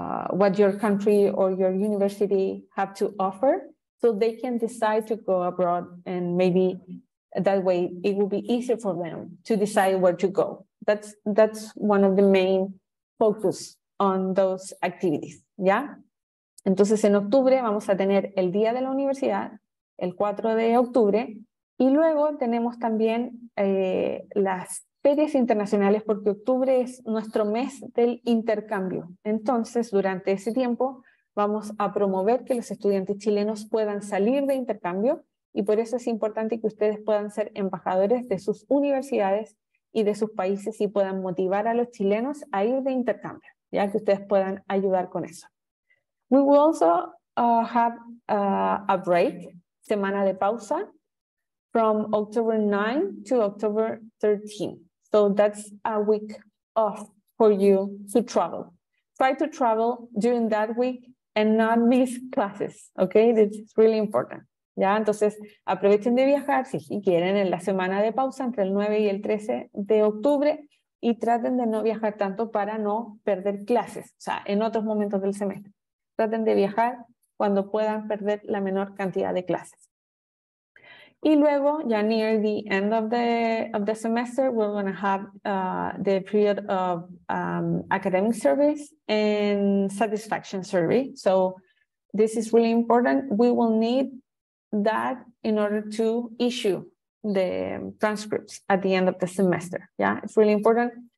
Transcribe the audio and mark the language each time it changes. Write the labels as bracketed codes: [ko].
[en] what your country or your university have to offer, so they can decide to go abroad, and maybe that way it will be easier for them to decide where to go. That's one of the main focus on those activities, yeah? [es] Entonces, en octubre vamos a tener el Día de la Universidad, el 4 de octubre, y luego tenemos también las ferias internacionales, porque octubre es nuestro mes del intercambio. Entonces, durante ese tiempo, vamos a promover que los estudiantes chilenos puedan salir de intercambio, y por eso es importante que ustedes puedan ser embajadores de sus universidades y de sus países y puedan motivar a los chilenos a ir de intercambio, ya que ustedes puedan ayudar con eso. [en] We will also have a break, [es] semana de pausa, [en] from October 9 to October 13. So that's a week off for you to travel. Try to travel during that week and not miss classes, okay? That's really important. [es] Ya, entonces, aprovechen de viajar si quieren en la semana de pausa entre el 9 y el 13 de octubre y traten de no viajar tanto para no perder clases, o sea, en otros momentos del semestre. Traten de viajar cuando puedan perder la menor cantidad de clases. Y luego, ya [en] near the end of the semester, we're going to have the period of academic surveys and satisfaction survey. So this is really important. We will need that in order to issue the transcripts at the end of the semester. Yeah, it's really important.